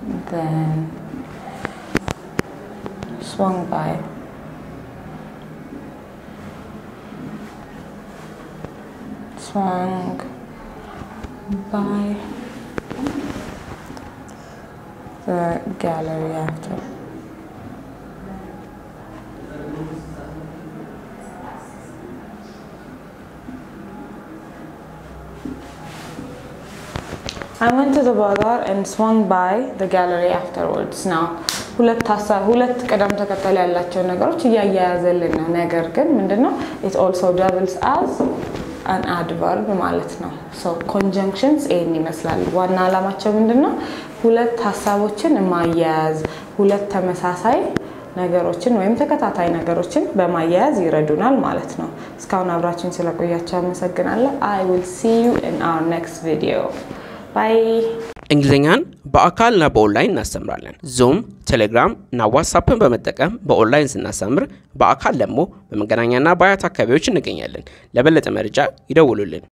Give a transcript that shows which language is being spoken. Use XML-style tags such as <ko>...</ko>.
<en>then swung by swung by the gallery after I went to the bazaar and swung by the gallery afterwards.</en> <am>Now ሁለት ቀደም ተከተል ያላቸው ነገሮች ያያያዘልን ነገር ግን ምንድነው?</am> <en>It also doubles as an adverb</en> <am>ማለት ነው.</am> <en>So conjunctions any</en> <am>መስላል ዋና አላማቸው ምንድነው? ሁለት ሐሳቦችን ማያያዝ ሁለት ተመሳሳይ ነገሮችን ወይም ተከታታይ ነገሮችን በማያያዝ ይረዱናል ማለት ነው. እስካሁን አብራችሁን ስለቆያችሁ አመሰግናለሁ.</am> <en>I will see you in our next video. Bye.</en> <am>እንግሊዘኛን በአካል እና በኦንላይን እናስተምራለን. Zoom, Telegram እና WhatsAppን በመጠቀም በኦንላይን እናስተምር በአካል ደግሞ በመገናኛና በአያታ ከቢዎች እንገኛለን. ለበለጠ መረጃ ይደውሉልን.</am>